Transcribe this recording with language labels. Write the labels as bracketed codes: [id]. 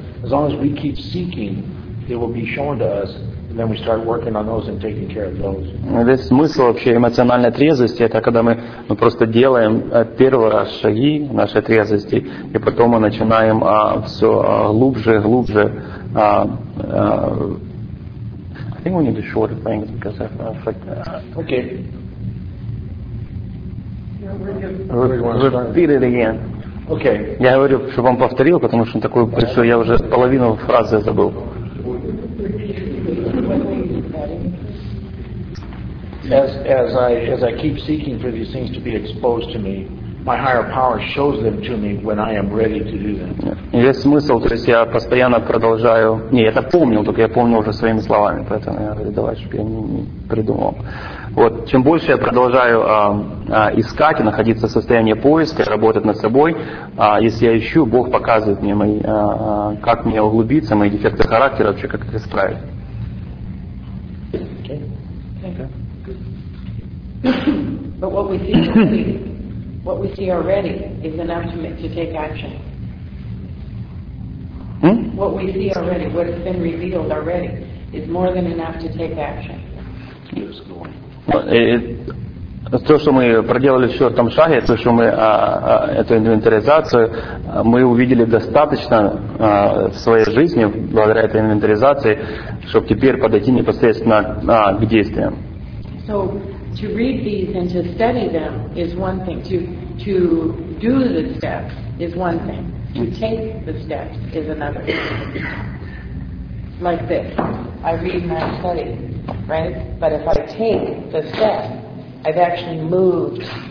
[en] As long as we keep seeking, they will be shown to us. And then we start working on those and taking care of those. [ru] Весь смысл вообще эмоциональной трезвости — это когда мы просто делаем первые шаги нашей трезвости, и потом мы начинаем все глубже, глубже. [en] I think we need to shorten things because I've Okay. Repeat it again. Okay. [ru] Я говорю, чтобы вам повторил, потому что он такой большой, я уже половину фразы забыл. [en] As I keep seeking for these things to be exposed to me, my higher power shows them to me when I am ready to do them. [ru] Есть смысл, то есть я постоянно продолжаю. Не, я это помнил, только я помнил уже своими словами, поэтому я говорю, давай, чтобы я не придумал. Вот, чем больше я продолжаю искать и находиться в состоянии поиска, работать над собой, если я ищу, Бог показывает мне, мои, как мне углубиться, мои дефекты характера, вообще как их исправить. [en] But what we see already is enough to take action. What we see already, what has been revealed already, is more than enough to take action. [ru] То, что мы проделали в четвертом шаге, то, что мы эту инвентаризацию, мы увидели достаточно в своей жизни, благодаря этой инвентаризации, чтобы теперь подойти непосредственно к действиям. [en] So, to read these and to study them is one thing. To do the steps is one thing. To take the steps is another thing. Like this. I read and I study, right? But if I take the step, I've actually moved.